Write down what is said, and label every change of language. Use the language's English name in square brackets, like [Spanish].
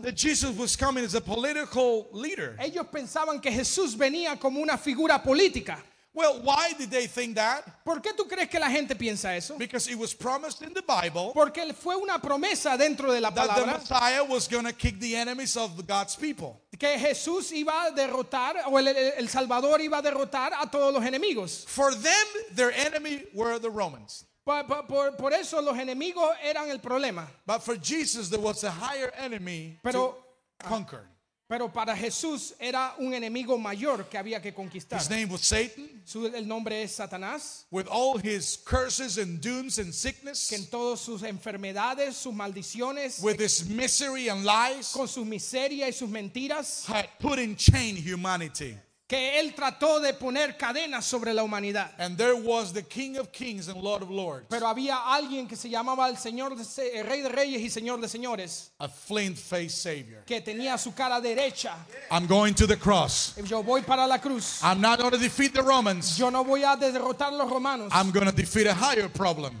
[English] That Jesus was coming as a political leader. [Spanish] Ellos pensaban que Jesús venía como una figura política. [English] Well, why did they think that? [Spanish] ¿Por qué tú crees que la gente piensa eso? [English] Because it was promised in the Bible. [Spanish] Porque fue una promesa dentro de la palabra. [English] That the Messiah was going to kick the enemies of God's people. [Spanish] Que Jesús iba a derrotar o el Salvador iba a derrotar a todos los enemigos. [English] For them, their enemy were the Romans. [Spanish] Por eso los enemigos eran el problema. [English] But for Jesus, there was a higher enemy to conquer. [Spanish] Pero para Jesús era un enemigo mayor que había que conquistar. [English] His name was Satan. [Spanish] El nombre es Satanás. [English] With all his curses and dooms and sickness. [Spanish] Con todas sus enfermedades, sus maldiciones. [English] With his misery and lies. [Spanish] Con su miseria y sus mentiras. [English] Had put in chain humanity. [Spanish] Que él trató de poner cadenas sobre la humanidad. [English] And there was the King of Kings and Lord of Lords. [Spanish] Pero había alguien que se llamaba el Señor de Rey de Reyes y Señor de Señores. [English] A flint-faced Savior. [Spanish] Que tenía su cara derecha. [English] I'm going to the cross. [Spanish] Yo voy para la cruz. [English] I'm not going to defeat the Romans. [Spanish] Yo no voy a derrotar los romanos. [English] I'm going to defeat a higher problem.